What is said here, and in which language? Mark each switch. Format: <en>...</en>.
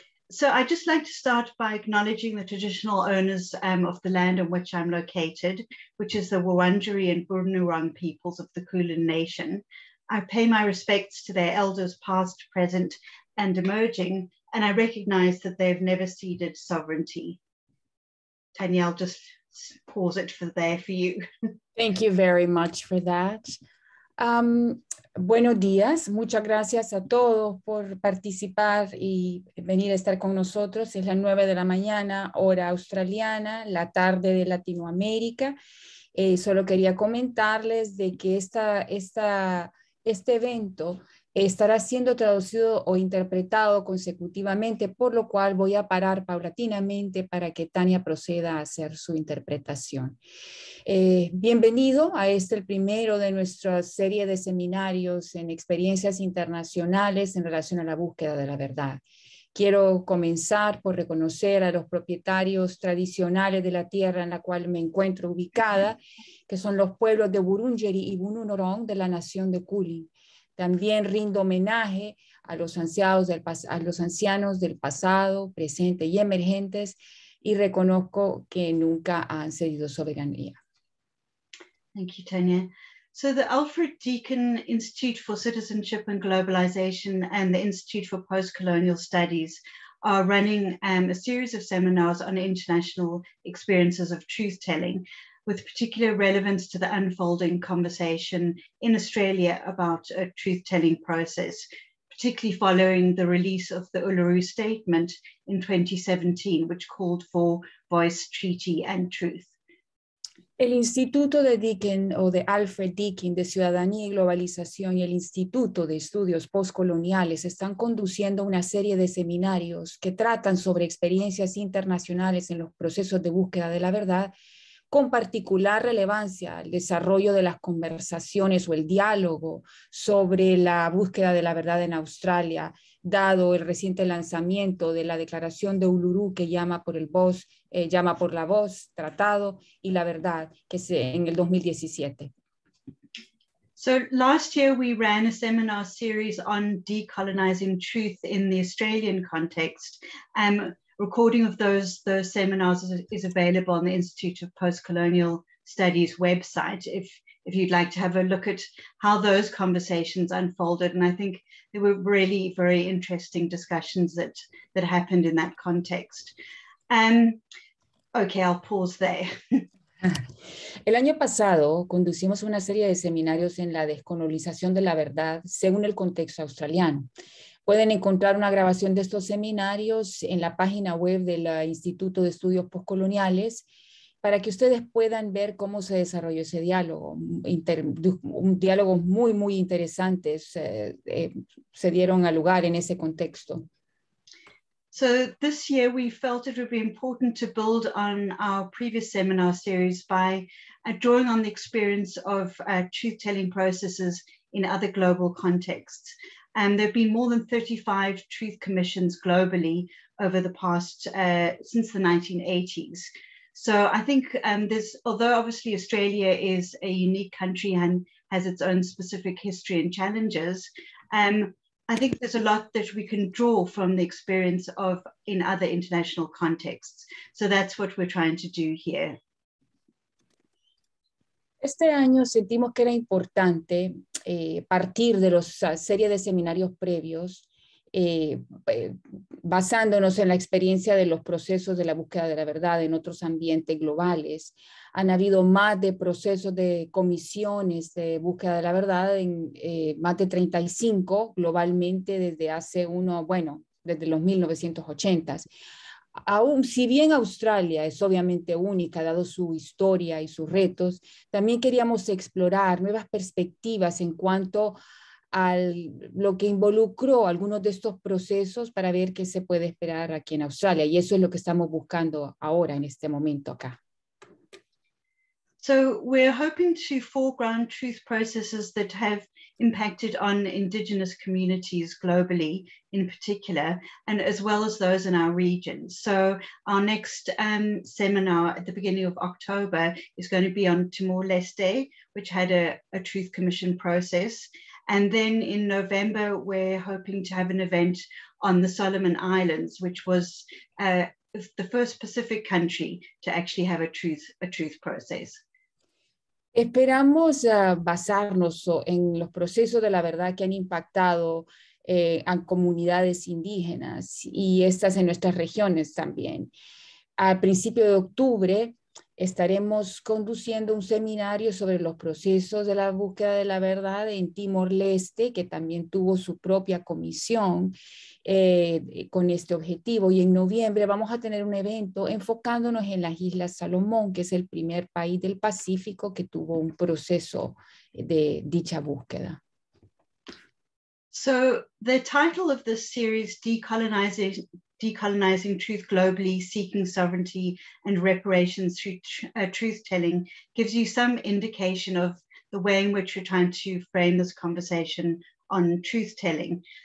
<en>So I'd just like to start by acknowledging the traditional owners of the land on which I'm located, which is the Wurundjeri and Boonwurrung peoples of the Kulin Nation. I pay my respects to their elders, past, present, and emerging, and I recognize that they've never ceded sovereignty. Tanya, I'll just pause it for there for you. Thank you very much for that.</en> <es>Buenos días, muchas gracias a todos por participar y venir a estar con nosotros. Es las 9 de la mañana, hora australiana, la tarde de Latinoamérica. Solo quería comentarles de que este evento estará siendo traducido o interpretado consecutivamente, por lo cual voy a parar paulatinamente para que Tania proceda a hacer su interpretación. Bienvenido a este, el primero de nuestra serie de seminarios en experiencias internacionales en relación a la búsqueda de la verdad. Quiero comenzar por reconocer a los propietarios tradicionales de la tierra en la cual me encuentro ubicada, que son los pueblos de Wurundjeri y Boonwurrung de la nación de Kulin. También rindo homenaje a los ancianos del pasado, presente y emergentes, y reconozco que nunca han cedido soberanía.</es> <en>Thank you, Tanya. So the Alfred Deakin Institute for Citizenship and Globalization and the Institute for Postcolonial Studies are running a series of seminars on international experiences of truth-telling, with particular relevance to the unfolding conversation in Australia about a truth-telling process, particularly following the release of the Uluru Statement in 2017, which called for voice, treaty, and truth.</en> <es>El Instituto de Deakin o de Alfred Deakin de Ciudadanía y Globalización y el Instituto de Estudios Postcoloniales están conduciendo una serie de seminarios que tratan sobre experiencias internacionales en los procesos de búsqueda de la verdad, con particular relevancia al desarrollo de las conversaciones o el diálogo sobre la búsqueda de la verdad en Australia, dado el reciente lanzamiento de la declaración de Uluru que llama por la voz, tratado y la verdad, que se en el 2017.</es> <en>So last year we ran a seminar series on decolonizing truth in the Australian context. Recording of those seminars is available on the Institute of Postcolonial Studies website if you'd like to have a look at how those conversations unfolded. And I think they were really very interesting discussions that happened in that context. Okay, I'll pause there.</en> <es>El año pasado conducimos una serie de seminarios en la descolonización de la verdad según el contexto australiano. Pueden encontrar una grabación de estos seminarios en la página web del Instituto de Estudios Postcoloniales para que ustedes puedan ver cómo se desarrolló ese diálogo. Un diálogo muy, muy interesante se dieron a lugar en ese contexto.</es> <en>So this year we felt it would be important to build on our previous seminar series by drawing on the experience of truth-telling processes in other global contexts. There have been more than 35 truth commissions globally over the past since the 1980s. So I think there's, although obviously Australia is a unique country and has its own specific history and challenges, I think there's a lot that we can draw from the experience of in other international contexts. So that's what we're trying to do here.</en> <es>Este año sentimos que era importante partir de la serie de seminarios previos, basándonos en la experiencia de los procesos de la búsqueda de la verdad en otros ambientes globales. Han habido más de procesos de comisiones de búsqueda de la verdad en más de 35 globalmente desde hace uno, bueno, desde los 1980s. Aún si bien Australia es obviamente única, dado su historia y sus retos, también queríamos explorar nuevas perspectivas en cuanto al lo que involucró algunos de estos procesos para ver qué se puede esperar aquí en Australia. Y eso es lo que estamos buscando ahora en este momento acá.</es> <en>So we're hoping to foreground truth processes that have impacted on Indigenous communities globally in particular, and as well as those in our region. So our next seminar at the beginning of October is going to be on Timor-Leste, which had a truth commission process. And then in November, we're hoping to have an event on the Solomon Islands, which was the first Pacific country to actually have a truth process.</en> <es>Esperamos basarnos en los procesos de la verdad que han impactado a comunidades indígenas y estas en nuestras regiones también. A principio de octubre estaremos conduciendo un seminario sobre los procesos de la búsqueda de la verdad en Timor-Leste, que también tuvo su propia comisión con este objetivo. Y en noviembre vamos a tener un evento enfocándonos en las Islas Salomón, que es el primer país del Pacífico que tuvo un proceso de dicha búsqueda.</es> <en>So, the title of this series, Decolonizing Truth Globally, Seeking Sovereignty and Reparations Through Truth-Telling, gives you some indication of the way in which we're trying to frame this conversation on truth-telling.</en>